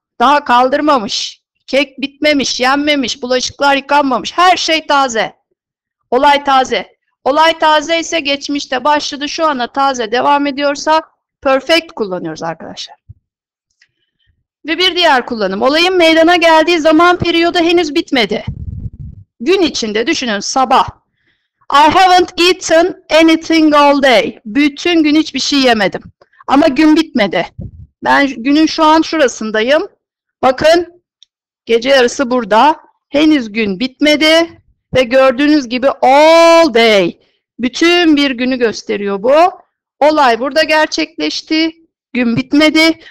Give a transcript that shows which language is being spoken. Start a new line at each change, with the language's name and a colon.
Turkish: Daha kaldırmamış. Kek bitmemiş, yenmemiş, bulaşıklar yıkanmamış. Her şey taze. Olay taze. Olay taze ise geçmişte başladı, şu ana taze devam ediyorsa perfect kullanıyoruz arkadaşlar. Ve bir diğer kullanım. Olayın meydana geldiği zaman periyodu henüz bitmedi. Gün içinde düşünün, sabah.
English: I haven't eaten anything all day.
Turkish: Bütün gün hiçbir şey yemedim. Ama gün bitmedi. Ben günün şu an şurasındayım. Bakın, gece yarısı burada. Henüz gün bitmedi. Ve gördüğünüz gibi
English: all day.
Turkish: Bütün bir günü gösteriyor bu. Olay burada gerçekleşti. Gün bitmedi.